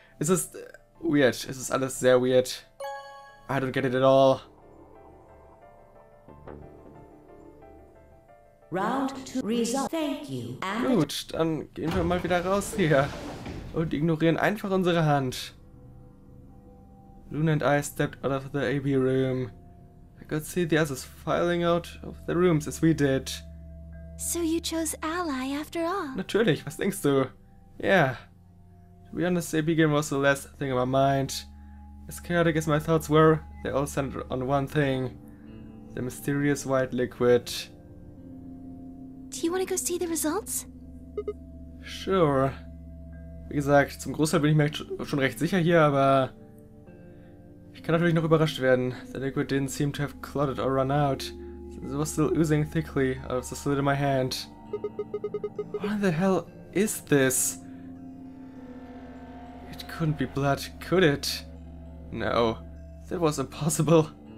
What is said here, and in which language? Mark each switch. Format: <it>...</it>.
<de>Es ist weird. Es ist alles sehr weird.</de> <en>I don't get it at all. Round to resolve. Thank you.</en> <de>Gut, dann gehen wir mal wieder raus hier und ignorieren einfach unsere Hand.</de> <en>Luna and I stepped out of the AB room. I could see the others filing out of the rooms as we did. So you chose Ally after all?</en> <de>Natürlich, was denkst du?</de> <en>Yeah. To be honest, AB game was the last thing in my mind. As chaotic as my thoughts were, they all centered on one thing. The mysterious white liquid. Do you want to go see the results? Sure.</en> <de>Wie gesagt, zum Großteil bin ich mir schon recht sicher hier, aber... Ich kann natürlich noch überrascht werden.</de> <en>The liquid didn't seem to have clotted or run out. It was still oozing thickly out of the slit in my hand. What the hell is this? It couldn't be blood, could it? No, that was impossible.</en>